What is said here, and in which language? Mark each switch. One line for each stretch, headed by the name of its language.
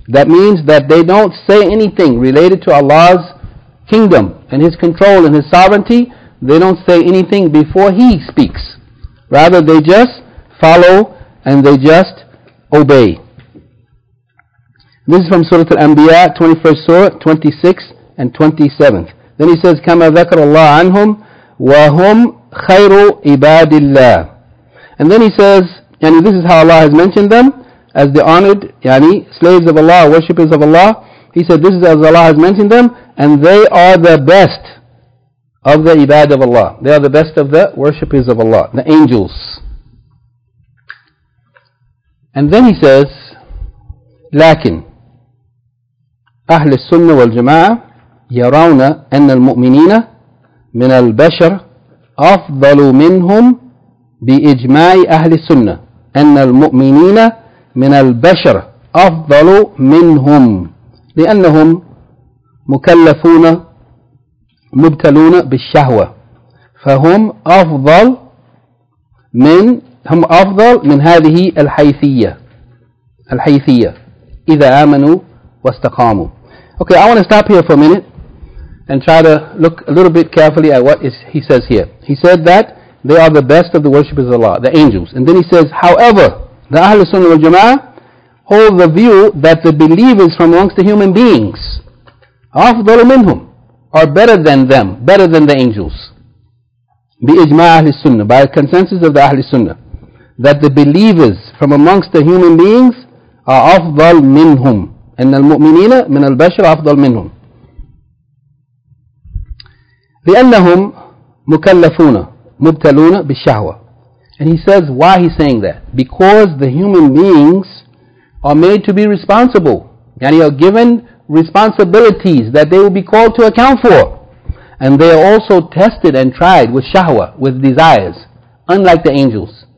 English: That means that they don't say anything related to Allah's kingdom and his control and his sovereignty. They don't say anything before he speaks. Rather, they just follow and they just obey. This is from Surah Al-Anbiya, 21st Surah, 26th and 27th. Then he says,
Arabic: كَمَا ذَكَرَ اللَّهُ عَنْهُمْ وَهُمْ خَيْرُ عِبَادِ اللَّهِ.
English: And then he says, yani this is how Allah has mentioned them, as the honored, yani slaves of Allah, worshippers of Allah. He said, this is as Allah has mentioned them, and they are the best of the ibad of Allah. They are the best of the worshippers of Allah, the angels. And then he says,
Arabic: لكن أهل السنة والجماعة يرون أن المؤمنين من البشر أفضل منهم بإجماع أهل السنة أن المؤمنين من البشر أفضل منهم لأنهم مكلفون مبتلون بالشهوة فهم أفضل من هم أفضل من هذه الحيثية إذا آمنوا واستقاموا.
English: Okay, I want to stop here for a minute and try to look a little bit carefully at what is he says here. He said that they are the best of the worshippers of Allah, the angels. And then he says, however, the Ahlul Sunnah wal Jama'ah hold the view that the believers from amongst the human beings,
Arabic: أفضل منهم,
English: are better than them, better than the angels.
Arabic: بإجماع أهل السنة,
English: by the consensus of the Ahl Sunnah, that the believers from amongst the human beings are
Arabic: أفضل منهم. أن المؤمنين من البشر أفضل منهم. لأنهم مكلفون مبتلون بالشهوة.
English: And he says, why he's saying that? Because the human beings are made to be responsible. And you are given responsibilities that they will be called to account for. And they are also tested and tried with shahwa, with desires. Unlike the angels.